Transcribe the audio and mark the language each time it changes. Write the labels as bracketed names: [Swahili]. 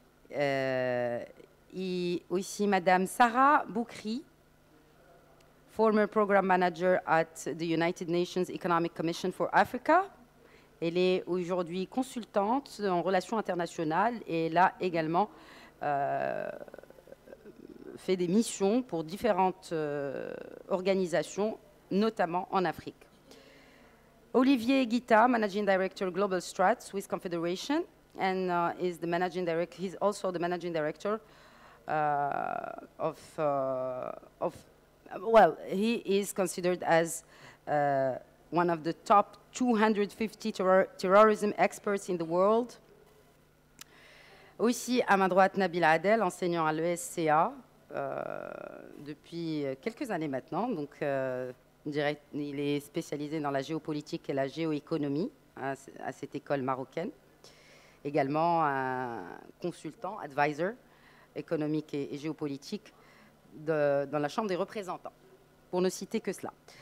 [French] Et aussi Madame [English] Sarah Boukri, former program manager at the United Nations Economic Commission for Africa. [French] Elle est aujourd'hui consultante en relations internationales et elle a également fait des missions pour différentes organisations, notamment en Afrique. [English] Olivier Guita, Managing Director Global Strat, Swiss Confederation, and is the Managing Director, he's also the Managing Director of well, he is considered as one of the top 250 terrorism experts in the world. [French] Aussi, à ma droite, Nabil Adel, enseignant à l'ESCA depuis quelques années maintenant. Donc, il est spécialisé dans la géopolitique et la géoéconomie à cette école marocaine. Également, consultant, advisor économique et géopolitique dans la Chambre des représentants, pour ne citer que cela.